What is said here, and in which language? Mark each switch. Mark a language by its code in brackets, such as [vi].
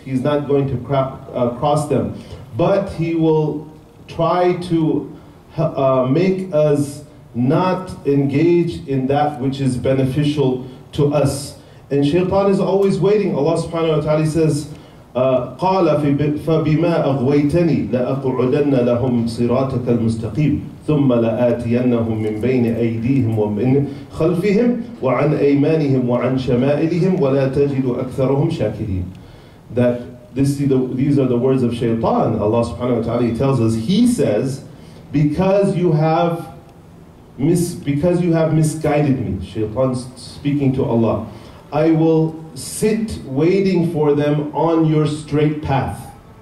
[en] He's not going to cross them. But he will try to make us not engage in that which is beneficial to us. And shaitan is always waiting. Allah subhanahu wa ta'ala says, [ar] قال فبما أغويتني لأقعدن لهم صراطك المستقيم ثم لآتينهم من بين أيديهم ومن خلفهم وعن أيمانهم وعن شمائلهم ولا تجد أكثرهم شاكرين. [en] That this, these are the words of Shaytan. Allah subhanahu wa ta'ala tells us, he says, because you have misguided me, Shaytan's speaking to Allah, I will sit waiting for them on your straight path.